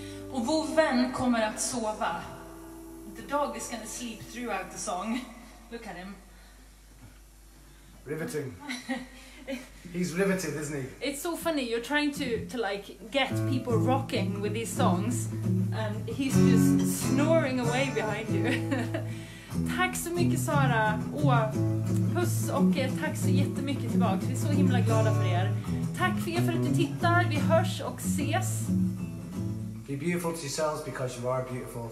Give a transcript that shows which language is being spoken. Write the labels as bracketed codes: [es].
[sv] Och vår vän kommer att sova. [en] The dog is gonna sleep throughout the song. Look at him. Riveting. He's riveted, isn't he? It's so funny, you're trying to like get people rocking with these songs and he's just snoring away behind you. [sv] Tack så mycket Sara och puss och tack så jättemycket tillbaka. Vi är så himla glada för er. Tack för er för att du tittar. Vi hörs och ses. [en] Be beautiful to yourselves because you are beautiful.